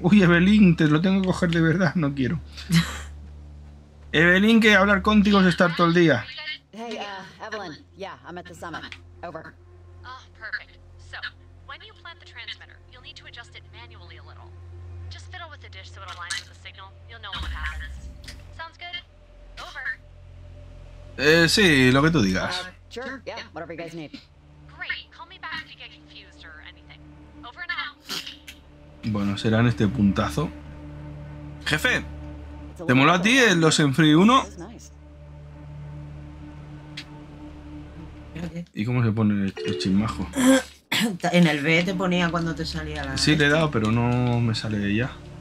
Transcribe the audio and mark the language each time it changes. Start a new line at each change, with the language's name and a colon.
Spanish: Uy, Evelyn, te lo tengo que coger de verdad, no quiero. Evelyn, que hablar contigo es estar todo el día.
English: Hey, Evelyn, yeah, I'm at the summit. Over. Oh, perfect. So, when you plant the transmitter, you'll need to adjust it manually a little. Just fiddle with the dish so it aligns with the signal. You'll know what happens. Sounds good. Over.
Spanish: Sí, lo que tú digas.
English: Sure, yeah, whatever you guys need. Great, call me back if you get confused or anything. Over now.
Spanish: Bueno, será en este puntazo. Jefe, ¿te moló a ti el Los Enfree 1? ¿Y cómo se pone el chismajo? En el B te ponía cuando te salía la... Sí, le he dado, pero no me sale ya.